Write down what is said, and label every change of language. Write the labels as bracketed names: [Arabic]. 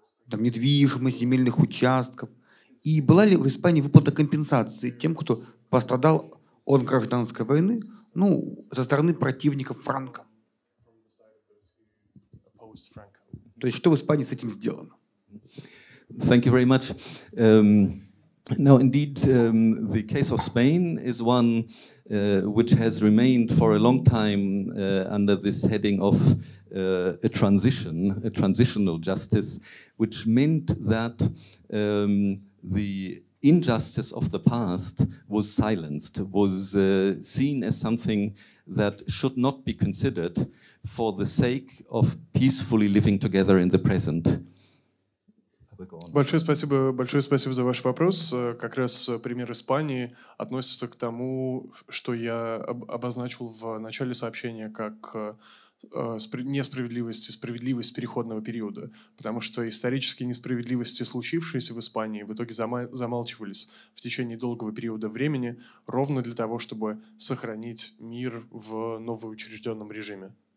[Russian] Там недвижимость, земельных участков. И была ли в Испании выплата компенсации тем, кто пострадал от гражданской войны, ну, со стороны противников Франко? То есть что в Испании с этим сделано? [English] Thank you very much. Now, indeed, the case of Spain is one which has remained for a long time under this heading of a transitional justice, which meant that the injustice of the past was silenced, was seen as something that should not be considered for the sake of peacefully living together in the present. [Russian] Большое спасибо за ваш вопрос. Как раз пример Испании относится к тому, что я обозначил в начале сообщения как несправедливость и справедливость переходного периода, потому что исторические несправедливости, случившиеся в Испании, в итоге замалчивались в течение долгого периода времени ровно для того, чтобы сохранить мир в новоучрежденном режиме.